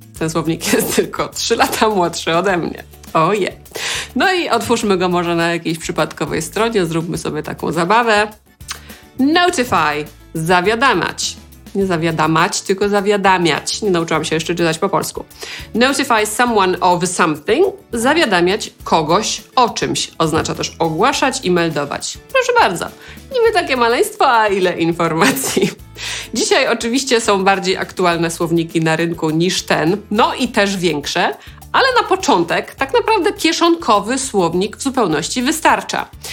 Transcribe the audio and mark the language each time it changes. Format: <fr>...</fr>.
<pl>Ten słownik jest tylko 3 lata młodszy ode mnie. Oje. No i otwórzmy go może na jakiejś przypadkowej stronie, zróbmy sobie taką zabawę. Notify. Zawiadamiać. Nie zawiadamać, tylko zawiadamiać. Nie nauczyłam się jeszcze czytać po polsku.</pl> <en>Notify someone of something.</en> <pl>Zawiadamiać kogoś o czymś. Oznacza też ogłaszać i meldować. Proszę bardzo. Niby takie maleństwo, a ile informacji. Dzisiaj oczywiście są bardziej aktualne słowniki na rynku niż ten, no i też większe, ale na początek tak naprawdę kieszonkowy słownik w zupełności wystarcza.</pl>